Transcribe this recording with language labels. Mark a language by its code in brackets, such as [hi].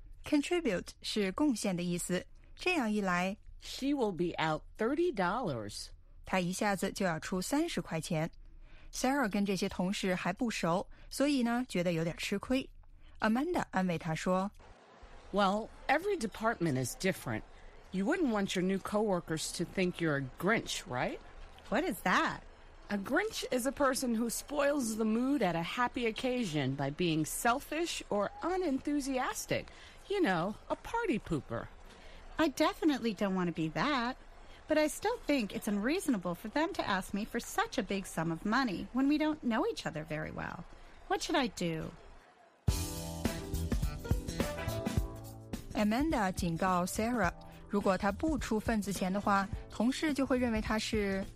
[zh] Contribute 是贡献的意思。这样一来， [en] She will be out $30. [zh] 她一下子就要出30块钱。 Sarah 跟这些同事还不熟，所以呢觉得有点吃亏。 Amanda 安慰她说 [en] Well, every department is different. You wouldn't want your new coworkers to think you're a Grinch, right? What is that? A Grinch is a person who spoils the mood at a happy occasion by being selfish or unenthusiastic. You know, a party pooper. I definitely don't want to be that. But I still think it's unreasonable for them to ask me for such a big sum of money when we don't know each other very well. What should I do? [zh] Amanda 警告 Sarah， 如果她不出份子钱的话，同事就会认为她是